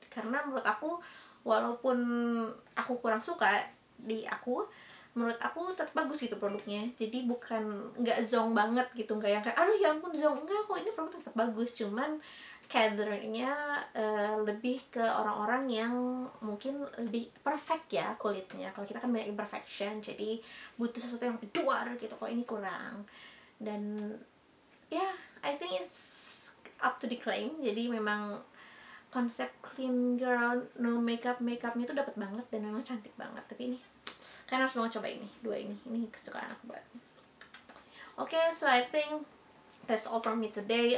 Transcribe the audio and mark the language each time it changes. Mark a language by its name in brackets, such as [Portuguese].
[Indonesian] Karena menurut aku, walaupun aku kurang suka di aku, menurut aku tetap bagus gitu produknya. Jadi bukan gak zonk banget gitu, gak yang kayak aduh ya ampun zonk, enggak kok, ini produk tetap bagus. Cuman cadernya lebih ke orang-orang yang mungkin lebih perfect ya kulitnya. Kalau kita kan banyak imperfection, jadi butuh sesuatu yang keduar gitu, kok ini kurang. Dan ya, [English] yeah, I think it's up to the claim. [Indonesian] Jadi memang konsep clean girl, no makeup, makeupnya tuh dapat banget dan memang cantik banget. Tapi ini kalian harus mau coba ini, dua ini kesukaan aku banget. [English] Oke, so I think that's all for me today.